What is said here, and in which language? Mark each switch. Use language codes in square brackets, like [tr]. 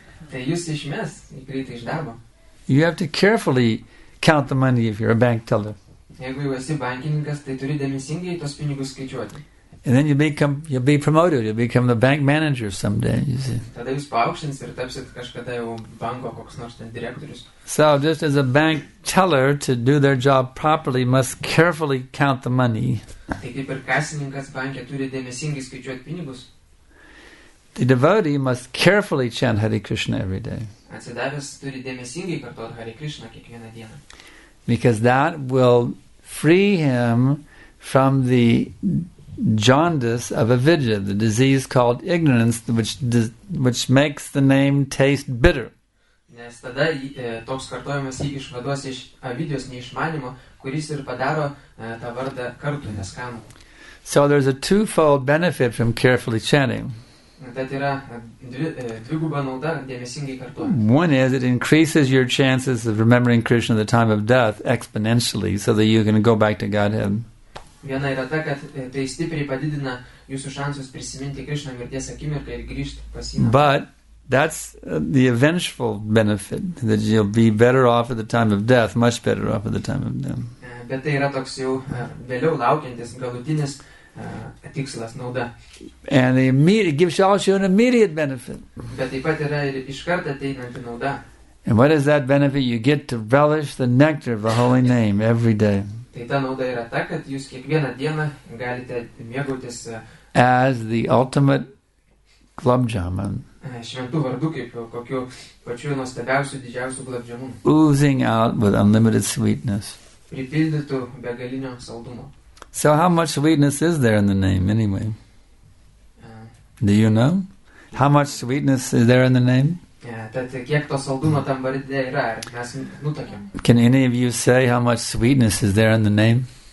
[lt] Tai jūs išmes, greitai iš darbo. [en] You have to carefully count the money if you're a bank teller. [lt] Jeigu jau esi bankininkas, tai turi dėmesingai tos pinigus skaičiuoti. [en] And then you'll be promoted, you'll become the bank manager someday, you see. [lt] Tada jūs paaukšins ir tapsit kažkada jau banko koks nors ten direktorius. [en] So just as a bank teller to do their job properly must carefully count the money. [lt] Tai kaip ir kasininkas banke turi dėmesingai skaičiuoti pinigus. [en] The devotee must carefully chant Hare Krishna every day. [lt] Atsidavęs turi dėmesingai kartuot Hare Krishna kiekvieną dieną. [en] Because that will free him from the jaundice of avidya, the disease called ignorance, which makes the name taste bitter. [lt] Nes tada toks kartojimas jį išvados iš avidijos neišmanimo, kuris ir padaro tą vardą kartu neskanų. [en] So there's a twofold benefit from carefully chanting. One is it increases your chances of remembering Krishna at the time of death exponentially so that you can go back to Godhead. [lt] Viena yra ta, kad tai stipriai padidina jūsų šansus prisiminti Krishna mirties akimirką ir grįžti pas jį. [en] But that's the eventual benefit, that you'll be better off at the time of death, much better off at the time of death. [lt] Bet tai yra toks jau vėliau laukiantis galutinis tikslas, nauda. [en] And it gives you also an immediate benefit. [lt] Bet taip pat yra ir iš karto ateinanti nauda. [en] And what is that benefit? You get to relish the nectar of the holy name every day. [lt] Tai ta nauda yra ta, kad jūs kiekvieną dieną galite mėgautis [en] as the ultimate glob jaman. [lt] Šventų vardų kaip kokiu pačiu nuostabiausiu didžiausiu glob jamu. [en] Oozing out with unlimited sweetness. [lt] Pripildytų begalinio saldumo. [en] So how much sweetness is there in the name anyway? Do you know? How much sweetness is there in the name? Can any of you say how much sweetness is there in the name?